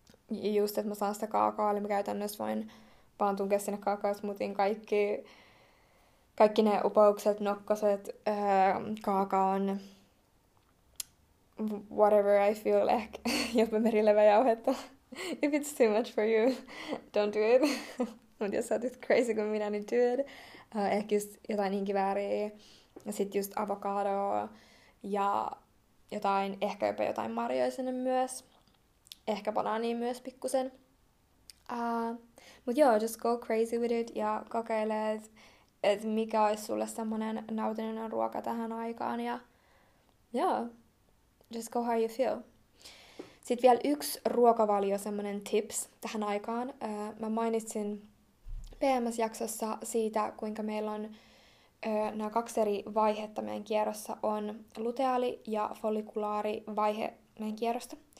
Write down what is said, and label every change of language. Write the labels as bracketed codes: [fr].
[fi] Just, että mä saan sitä kaakaa, eli mä käytännössä voin vaan tunkea sinne kaakaosmoothiin kaikki ne upoukset, nokkoset, kaakaon, [en] whatever I feel, [fi] ehkä jopa merileväjauhetta. [en] If it's too much for you, don't do it. [fi] Mut jos sä oot crazy kuin minä, niin [en] do it. [fi] Ehkä just jotain inkivääriä. Ja sit just avokadoa. Ja jotain, ehkä jopa jotain marjoja sinne myös. Ehkä banaaniin myös pikkusen. Mut joo, [en] just go crazy with it. [fi] Ja kokeile, et mikä olisi sulle semmonen nautinnollinen ruoka tähän aikaan. Ja joo, [en] just go how you feel. [fi] Sitten vielä yksi ruokavalio, semmonen tips tähän aikaan. Mä mainitsin PMS-jaksossa siitä, kuinka meillä on nämä kaksi eri vaihetta meidän kierrossa on luteaali- ja follikulaarivaihe meidän kierrosta.